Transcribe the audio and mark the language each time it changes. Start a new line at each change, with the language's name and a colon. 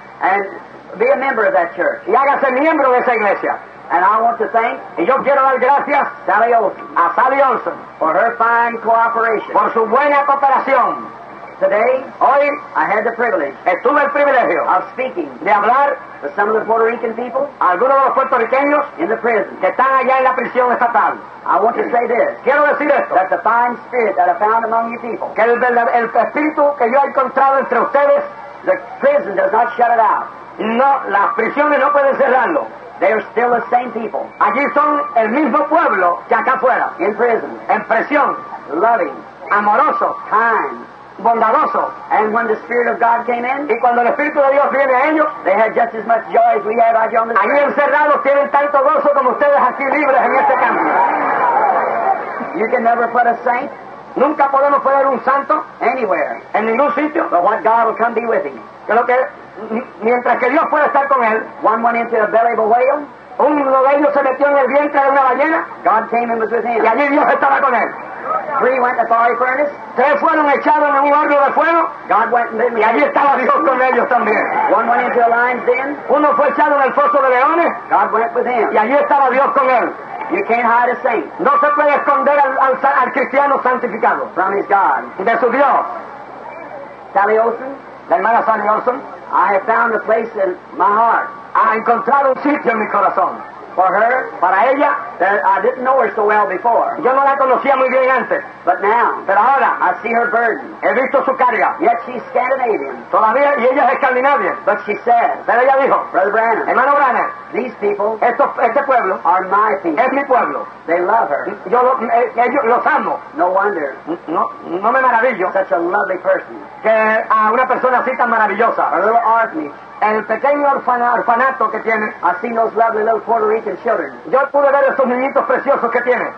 English: And be a member of that church.
Spanish: Y hágase miembro de esa iglesia.
English: And I want to thank,
Spanish: y yo quiero dar gracias, Sally Olson, a Sally Olson,
English: for her fine cooperation,
Spanish: por su buena cooperación.
English: Today,
Spanish: hoy,
English: I had the privilege,
Spanish: estuve el privilegio,
English: of speaking,
Spanish: de hablar,
English: to some of the Puerto Rican people,
Spanish: a algunos de los puertorriqueños,
English: in the prison,
Spanish: que están allá en la prisión estatal.
English: I want to say this,
Spanish: quiero decir esto,
English: that the fine spirit that I found among you people,
Spanish: que el espíritu que yo he encontrado entre ustedes,
English: the prison does not shut it out.
Spanish: No, las prisiones no pueden cerrarlo.
English: They are still the same people.
Spanish: Allí son el mismo pueblo que acá afuera.
English: In prison.
Spanish: En prisión.
English: Loving.
Spanish: Amoroso.
English: Kind.
Spanish: Bondadoso.
English: And when the Spirit of God came in,
Spanish: y cuando el Espíritu de Dios viene a ellos,
English: they had just as much joy as we have out here on the street.
Spanish: Allí encerrados tienen tanto gozo como ustedes aquí libres en este campo.
English: You can never put a saint.
Spanish: Nunca podemos poner un santo.
English: Anywhere.
Spanish: En ningún sitio.
English: But what God will come be with him.
Spanish: Creo que mientras que Dios pueda estar con él,
English: one went into the belly of a whale,
Spanish: uno de ellos se metió en el vientre de una ballena,
English: God came and was with him.
Spanish: Y allí Dios estaba con él.
English: Three went to the fiery furnace,
Spanish: tres fueron echados en un horno de fuego,
English: God went and
Spanish: y allí estaba Dios con ellos también.
English: One went into a lion's den.
Spanish: Uno fue echado en el foso de leones.
English: God went with him.
Spanish: Y allí estaba Dios con él.
English: You can't hide a saint.
Spanish: No se puede esconder al cristiano santificado.
English: From his God.
Spanish: De su Dios.
English: Sally Olson.
Spanish: La hermana Sally Olson.
English: I have found a place in my heart.
Spanish: Ha encontrado un sitio en mi corazón.
English: For her.
Spanish: Para ella.
English: That I didn't know her so well before.
Spanish: Yo no la conocía muy bien antes.
English: But now.
Spanish: Pero ahora.
English: I see her burden.
Spanish: He visto su carga.
English: Yet she's Scandinavian.
Spanish: Todavía, y ella es escandinavia.
English: But she said.
Spanish: Pero ella dijo.
English: Brother Branham.
Spanish: Hermano Branham.
English: These people.
Spanish: Este pueblo.
English: Are my people.
Spanish: Es mi pueblo.
English: They love her.
Spanish: Ellos los amo.
English: No wonder.
Spanish: No me maravillo.
English: Such a lovely person.
Spanish: Que a una persona así tan maravillosa.
English: A little orphanage.
Spanish: El pequeño orfanato que tiene.
English: I see those lovely little Puerto Rican children.
Spanish: Yo pude ver esos niñitos preciosos que tiene.